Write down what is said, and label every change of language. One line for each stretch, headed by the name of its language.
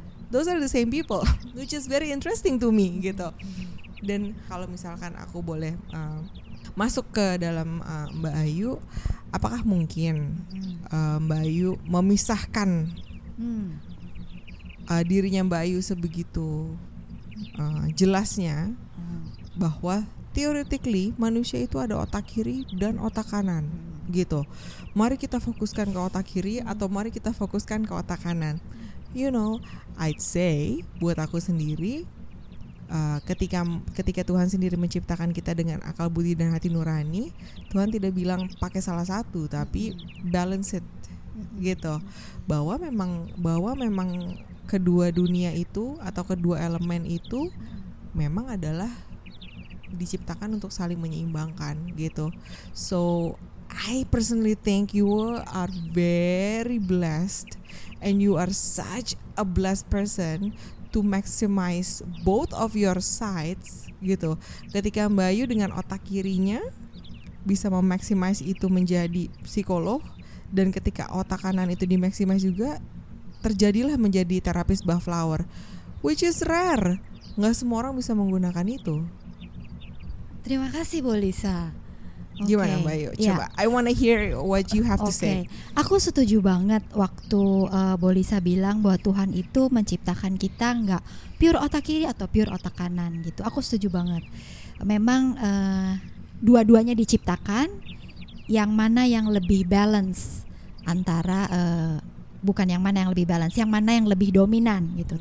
English: Those are the same people, which is very interesting to me gitu.
Indonesian: Dan kalau misalkan aku boleh masuk ke dalam Mbak Ayu, apakah mungkin Mbak Ayu memisahkan dirinya Mbak Ayu sebegitu jelasnya bahwa theoretically manusia itu ada otak kiri dan otak kanan gitu. Mari kita fokuskan ke otak kiri atau mari kita fokuskan ke otak kanan.
English: You know, I'd say
Indonesian: buat aku sendiri, ketika Tuhan sendiri menciptakan kita dengan akal budi dan hati nurani, Tuhan tidak bilang pakai salah satu, tapi
English: balance it
Indonesian: gitu. Bahwa memang kedua dunia itu atau kedua elemen itu memang adalah diciptakan untuk saling menyeimbangkan gitu.
English: So I personally think you are very blessed and you are such a blessed person to maximize both of your sides gitu.
Indonesian: Ketika Mbak Ayu dengan otak kirinya bisa memaximize itu menjadi psikolog, dan ketika otak kanan itu dimaximize juga, terjadilah menjadi terapis bath flower,
English: which is rare.
Indonesian: Nggak semua orang bisa menggunakan itu. Terima kasih Bu Lisa. Okay. Gimana Mbak Ayu? Coba,
English: yeah. I wanna hear what you have to say.
Indonesian: Aku setuju banget waktu Bu Lisa bilang bahwa Tuhan itu menciptakan kita nggak pure otak kiri atau pure otak kanan gitu. Aku setuju banget. Memang dua-duanya diciptakan, yang mana yang lebih balance antara bukan yang mana yang lebih balance, yang mana yang lebih dominan gitu.